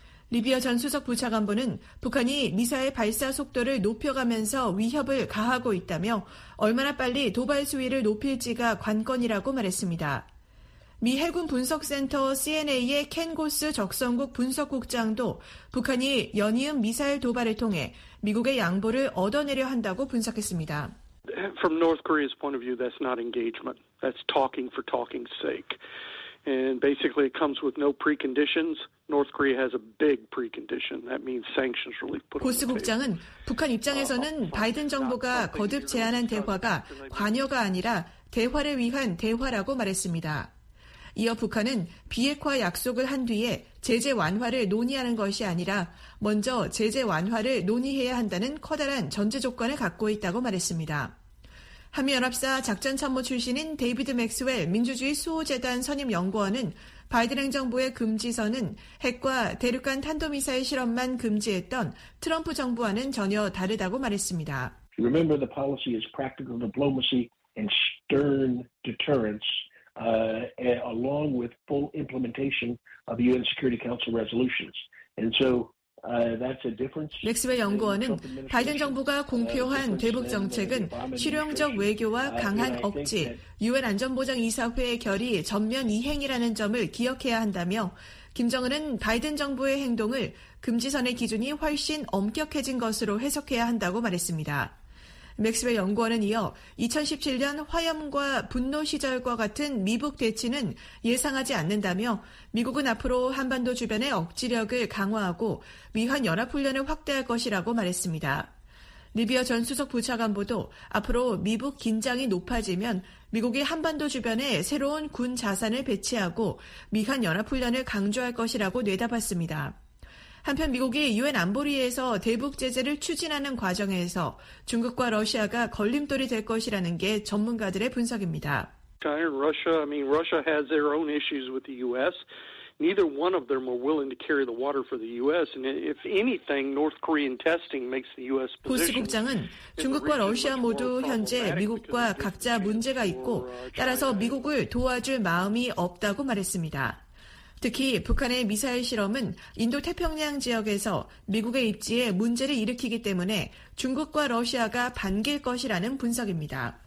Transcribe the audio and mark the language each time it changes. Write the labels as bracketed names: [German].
[Korean] 리비어 전 수석 부차관보는 북한이 미사일 발사 속도를 높여가면서 위협을 가하고 있다며 얼마나 빨리 도발 수위를 높일지가 관건이라고 말했습니다. 미 해군 분석센터 CNA의 켄 고스 적성국 분석국장도 북한이 연이은 미사일 도발을 통해 미국의 양보를 얻어내려 한다고 분석했습니다. [English] From North Korea's point of view, that's not engagement. That's talking for talking's sake. And basically, it comes with no preconditions. North Korea has a big precondition. That means sanctions really put on the table. [Korean] 고스 국장은 북한 입장에서는 바이든 정부가 거듭 제안한 대화가 관여가 아니라 대화를 위한 대화라고 말했습니다. 이어 북한은 비핵화 약속을 한 뒤에 제재 완화를 논의하는 것이 아니라 먼저 제재 완화를 논의해야 한다는 커다란 전제 조건을 갖고 있다고 말했습니다. 한미연합사 작전참모 출신인 데이비드 맥스웰 민주주의 수호재단 선임연구원은 바이든 행정부의 금지서는 핵과 대륙간 탄도미사일 실험만 금지했던 트럼프 정부와는 전혀 다르다고 말했습니다. [English] Remember the policy is practical diplomacy and stern deterrence. Along with full implementation of UN Security Council resolutions. And so that's a difference. [Korean] 맥스웰 연구원은 바이든 정부가 공표한 대북 정책은 실용적 외교와 강한 억지, 유엔 안전보장 이사회의 결의 전면 이행이라는 점을 기억해야 한다며 김정은은 바이든 정부의 행동을 금지선의 기준이 훨씬 엄격해진 것으로 해석해야 한다고 말했습니다. 맥스웰 연구원은 이어 2017년 화염과 분노 시절과 같은 미북 대치는 예상하지 않는다며 미국은 앞으로 한반도 주변의 억지력을 강화하고 미한 연합훈련을 확대할 것이라고 말했습니다. 리비어 전 수석 부차관보도 앞으로 미북 긴장이 높아지면 미국이 한반도 주변에 새로운 군 자산을 배치하고 미한 연합훈련을 강조할 것이라고 내다봤습니다. 한편 미국이 유엔 안보리에서 대북 제재를 추진하는 과정에서 중국과 러시아가 걸림돌이 될 것이라는 게 전문가들의 분석입니다. [English] Russia has their own issues with the US. Neither one of them are willing to carry the water for the US. And if anything, North Korean testing makes the US position. [Korean] 고스 국장은 중국과 러시아 모두 현재 미국과 각자 문제가 있고 따라서 미국을 도와줄 마음이 없다고 말했습니다. 특히 북한의 미사일 실험은 인도태평양 지역에서 미국의 입지에 문제를 일으키기 때문에 중국과 러시아가 반길 것이라는 분석입니다.